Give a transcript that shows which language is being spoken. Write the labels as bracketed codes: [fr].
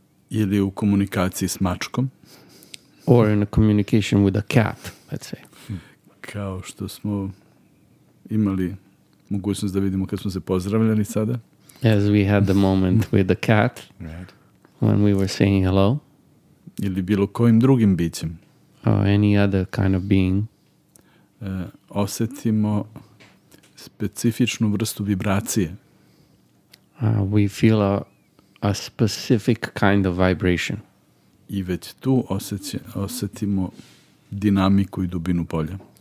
[sr] Ili u komunikaciji s mačkom. [en] Or in a communication with a cat, let's say. [sr] Kao što smo imali mogućnost da vidimo kad smo se pozdravljali sada. [en] As we had the moment with the cat, right. When we were saying hello. [sr] Ili bilo kojim drugim bićem. [en] Or any other kind of being. [sr] Osetimo specifičnu vrstu vibracije. [en] We feel a specific kind of vibration. [sr] I već tu osetimo dinamiku i dubinu polja.